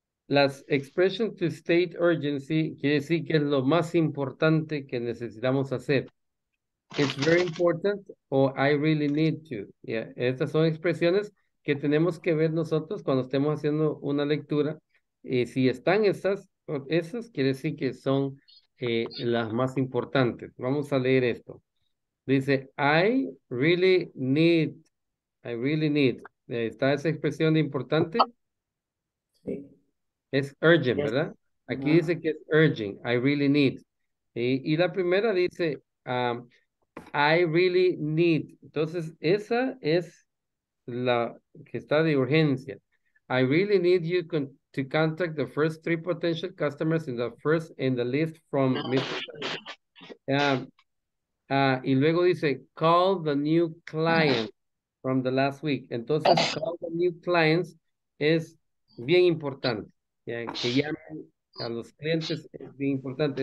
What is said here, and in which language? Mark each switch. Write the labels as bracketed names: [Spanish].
[Spanish] Las [English] expression to state urgency [Spanish] quiere decir que es lo más importante que necesitamos hacer. [English] It's very important or I really need to. Yeah. [Spanish] Estas son expresiones que tenemos que ver nosotros cuando estemos haciendo una lectura. Si están esas quiere decir que son las más importantes. Vamos a leer esto. Dice, [English] I really need. [Spanish] ¿Está esa expresión de importante? Sí. Es urgent, ¿verdad? Aquí dice que es urgent, [English] I really need. [Spanish] Y la primera dice, [English] I really need. [Spanish] Entonces, esa es la que está de urgencia. [English] I really need you to contact the first three potential customers in the first in the list from Mr. [Spanish] Y luego dice, [English] call the new client from the last week. [Spanish] Entonces, [English] call the new clients [Spanish] es bien importante. Yeah, que llamen a los clientes es bien importante.